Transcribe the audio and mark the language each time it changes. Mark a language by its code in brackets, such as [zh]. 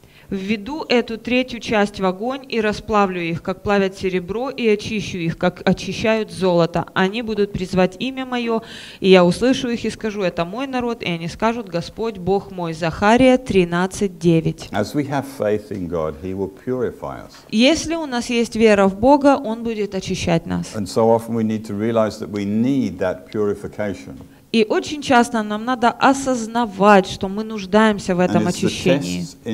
[ru] Введу эту третью часть в огонь и расплавлю их, как плавят серебро, и очищу их, как очищают золото. Они будут призвать имя мое, и я услышу их и скажу: это мой народ, и они скажут: Господь Бог мой. Захария 13:9. [en] As we have faith in God, he will purify us. [ru] Если у нас есть вера в Бога, он будет очищать нас. [en] And so often we need to realize that we need that purification. [ru] И очень часто нам надо осознавать, что мы нуждаемся в этом очищении.